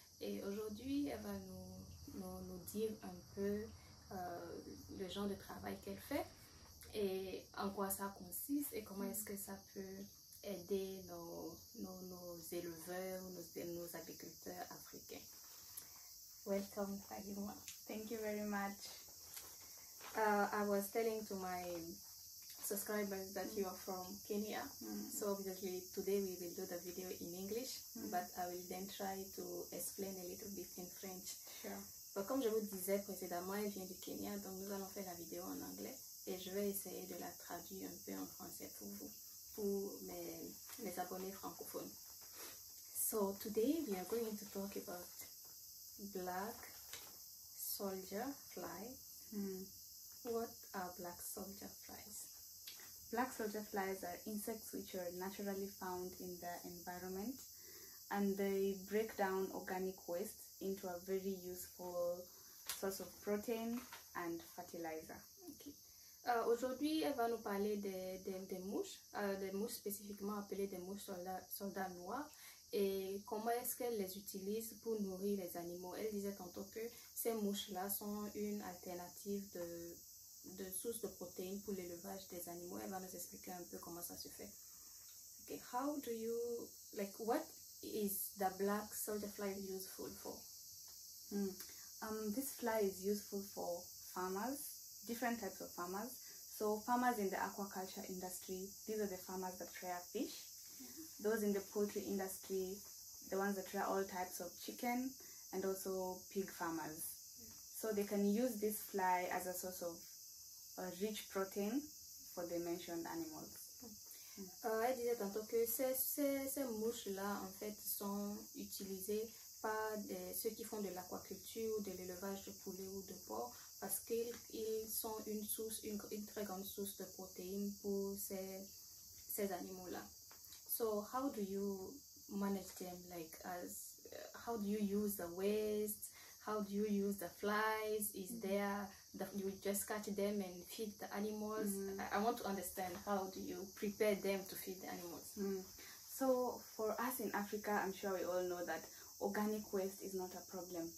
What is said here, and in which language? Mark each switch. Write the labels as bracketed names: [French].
[French] Et aujourd'hui, elle va nous dire un peu le genre de travail qu'elle fait et en quoi ça consiste et comment est-ce que ça peut aider nos éleveurs, nos agriculteurs africains. [English] Welcome, Fahima. Thank you very much. I was telling to my subscribers that you are from Kenya. So obviously today we will do the video in English, but I will then try to explain a little bit in French. Sure. [French] But comme je vous disais précédemment, elle vient du Kenya, donc nous allons faire la vidéo en anglais et je vais essayer de la traduire un peu en français pour vous. Mes abonnés francophones. [English] So today we are going to talk about black soldier flies. What are black soldier flies? Black soldier flies are insects which are naturally found in the environment, and they break down organic waste into a very useful source of protein and fertilizer. Okay. [French] Aujourd'hui, elle va nous parler des mouches, des mouches spécifiquement appelées des mouches soldats noirs, et comment est-ce qu'elle les utilise pour nourrir les animaux. Elle disait tantôt que ces mouches-là sont une alternative de source de protéines pour l'élevage des animaux. Elle va nous expliquer un peu comment ça se fait. [English] Okay, how do you like what is the black soldier fly useful for? This fly is useful for farmers. Different types of farmers. So farmers in the aquaculture industry, these are the farmers that rear fish. Those in the poultry industry, the ones that rear all types of chicken and also pig farmers. So they can use this fly as a source of a rich protein for the mentioned animals. [French] Elle disait tantôt que ces mouches-là, en fait, sont utilisées par ceux qui font de l'aquaculture ou de l'élevage de poulets ou de porcs, parce qu'ils sont une source, une très grande source de protéines pour ces animaux-là. [English] So how do you manage them? Like as how do you use the waste? How do you use the flies? Is there that you just catch them and feed the animals? I want to understand how do you prepare them to feed the animals. So for us in Africa, I'm sure we all know that organic waste is not a problem.